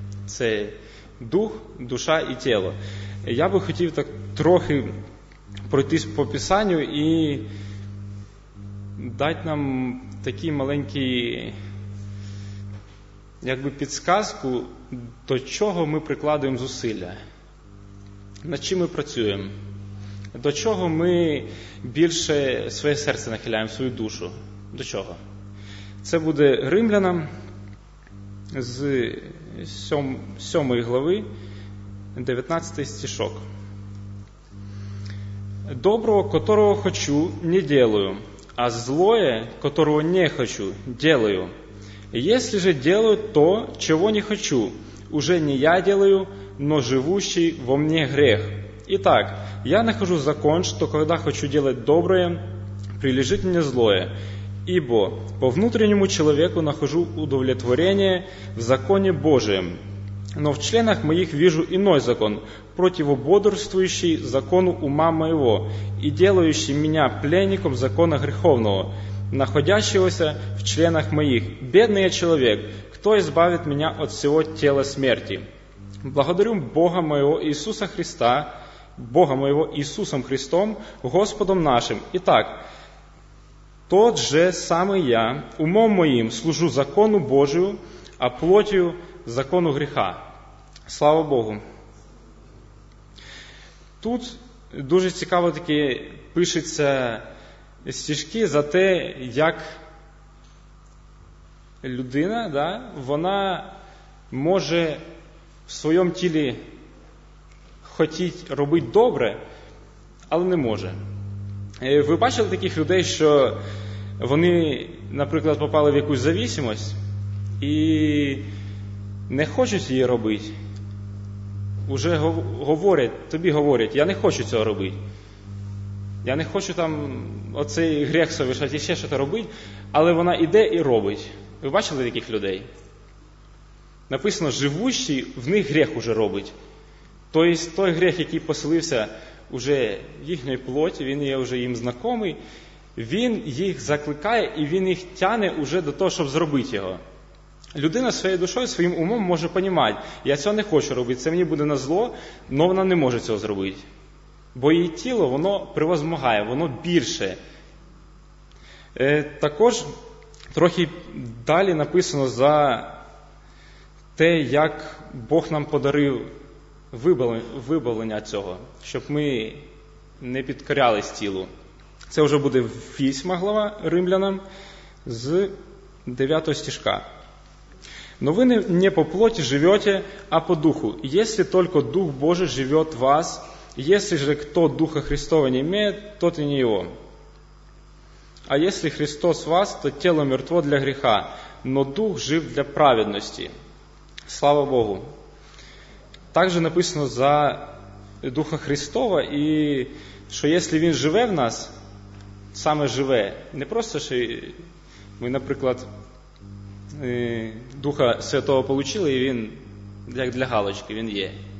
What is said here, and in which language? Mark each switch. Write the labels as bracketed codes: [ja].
[uk] Це дух, душа і тіло. Я би хотів так трохи пройтись по Писанню і дати нам такі маленькі, якби, підсказку, до чого ми прикладаємо зусилля, над чим ми працюємо, до чого ми більше своє серце нахиляємо, свою душу, до чого. Це буде Римлянам з 7 глави, 19 стишок. [ru] «Доброго, которого хочу, не делаю, а злое, которого не хочу, делаю. Если же делаю то, чего не хочу, уже не я делаю, но живущий во мне грех. Итак, я нахожу закон, что когда хочу делать доброе, прилежит мне злое. Ибо по внутреннему человеку нахожу удовлетворение в законе Божием. Но в членах моих вижу иной закон, противободрствующий закону ума моего и делающий меня пленником закона греховного, находящегося в членах моих. Бедный я человек, кто избавит меня от всего тела смерти? Благодарю Бога моего Иисуса Христа, Бога моего Иисусом Христом, Господом нашим. Итак, тот же самый я умом моим служу закону Божию, а плотью закону греха». Слава Богу! [uk] Тут дуже цікаво таки пишеться стіжки за те, як людина, да, вона може в своєму тілі хотіти робити добре, але не може. Ви бачили таких людей, що вони, наприклад, попали в якусь завісимость і не хочуть її робити? Уже говорять, тобі говорять, я не хочу цього робити. Я не хочу там оцей грех совершати і ще щось робити, але вона іде і робить. Ви бачили таких людей? Написано, живущий в них грех уже робить. Тобто той грех, який поселився уже в їхній плоті, він є вже їм знайомий, він їх закликає і він їх тяне уже до того, щоб зробити його. Людина своєю душою, своїм умом може розуміти, я цього не хочу робити, це мені буде на зло, але вона не може цього зробити. Бо її тіло, воно превозмагає, воно більше. Також трохи далі написано за те, як Бог нам подарив вибавлення цього, щоб ми не підкорялись тілу. Це вже буде 8 глава Римлянам з 9 стіжка. [ru] Но вы не по плоти живете, а по духу. Если только Дух Божий живет в вас, если же кто Духа Христова не имеет, тот и не его. А если Христос в вас, то тело мертво для греха, но Дух жив для праведности. Слава Богу! [uk] Также написано за Духа Христова, и что если Він живе в нас, саме живе, не просто, що ми, наприклад, Духа Святого получили, і він як для галочки, він є.